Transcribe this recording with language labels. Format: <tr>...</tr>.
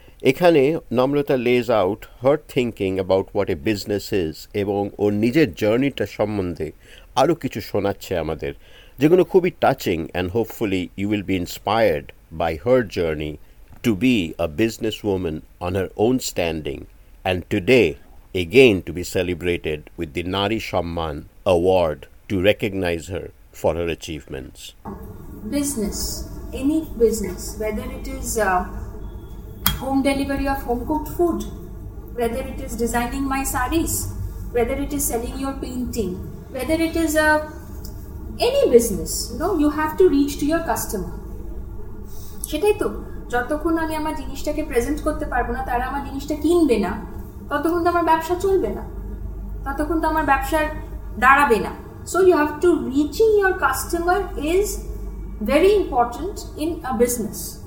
<bn>এখানে নম্রতা</bn> <en>lays out her thinking about what a business is</en> <bn>এবং ওর নিজের জার্নিটা সম্বন্ধে আরও কিছু শোনাচ্ছে আমাদের, যেগুলো খুবই</bn> <en>Touching and hopefully you will be inspired by her journey to be a business woman on her own standing and today again to be celebrated with the Nari Samman award to recognize her for her achievements. Business, any business, whether it is home delivery of home cooked food, whether it is designing my sarees, whether it is selling your painting, whether it is any business, you know, you have to reach to your customer.</en> <bn>সেটাই তো, যতক্ষণ আমি আমার জিনিসটাকে present করতে পারবো না, তারা আমার জিনিসটা কিনবে না, ততক্ষণ তো আমার ব্যবসা চলবে না, ততক্ষণ তো আমার ব্যবসা দাঁড়াবে না।</bn> <en>So you have to reaching your customer is very important in a business.</en>